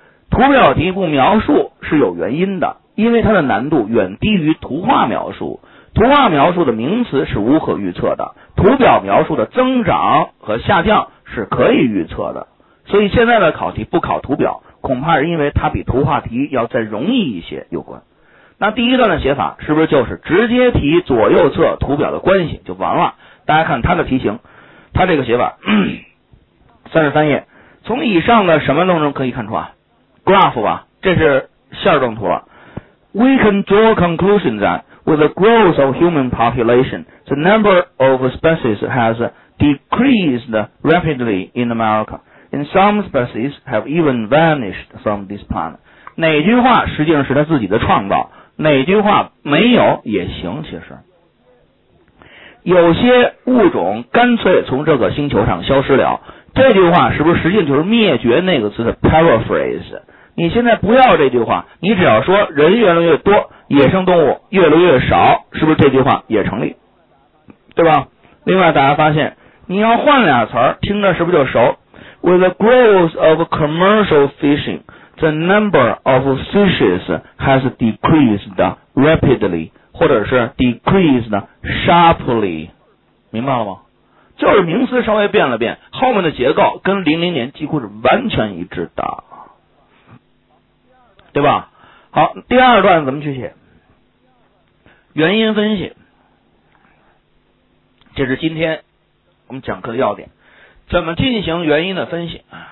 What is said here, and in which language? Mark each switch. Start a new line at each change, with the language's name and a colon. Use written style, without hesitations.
Chinese: 图表题不描述是有原因的，因为它的难度远低于图画描述，图画描述的名词是无可预测的，图表描述的增长和下降是可以预测的，所以现在的考题不考图表，恐怕是因为它比图画题要再容易一些有关。那第一段的写法是不是就是直接提左右侧图表的关系就完了？大家看它的题型，它这个写法33页，从以上的什么当中可以看出啊 graph 吧，这是线状图了。
English: We can draw a conclusion that with the growth of human population, the number of species has decreased rapidly in America, and some species have even vanished from this planet.
Chinese: 哪句话实际上是他自己的创造，哪句话没有也行，其实有些物种干脆从这个星球上消失了，这句话是不是实际上就是灭绝那个词的 paraphrase？你现在不要这句话，你只要说人越来越多，野生动物越来越少，是不是这句话也成立，对吧？另外大家发现你要换俩词儿，听着是不是就熟？
English: With the growth of commercial fishing, the number of fishes has decreased rapidly,
Chinese: 或者是
English: decreased sharply，
Chinese: 明白了吗？就是名词稍微变了变，后面的结构跟00年几乎是完全一致的，对吧？好，第二段怎么去写？原因分析，这是今天我们讲课的要点，怎么进行原因的分析？